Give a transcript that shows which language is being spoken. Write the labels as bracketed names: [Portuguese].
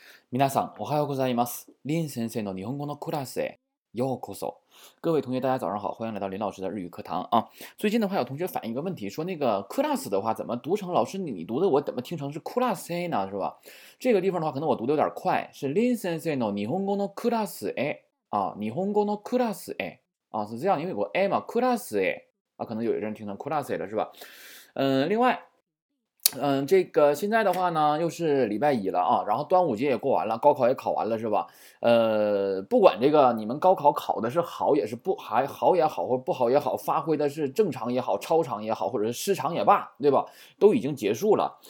[Japanese] 皆さん、おはようございます。林先生の日本語のクラスへようこそ。 [Chinese] 各位同学，大家早上好，欢迎来到林老师的日语课堂啊。最近的话，有同学反映一个问题，说那个 class 的话怎么读成？老师，你读的我怎么听成是 class 呢？是吧？这个地方的话，可能我读的有点快，是 [Japanese] 林先生の日本語のクラスへ [Chinese] 啊， [Japanese] 日本語のクラスへ [Chinese] 啊，是这样，因为我 a 嘛 ，class へ啊，可能有些人听成 class 了，是吧？另外。这个现在的话呢又是礼拜一了啊，然后端午节也过完了，高考也考完了是吧，不管这个你们高考考的是好也是不还好也好或不好也好，发挥的是正常也好超常也好或者是失常也罢，对吧，都已经结束了。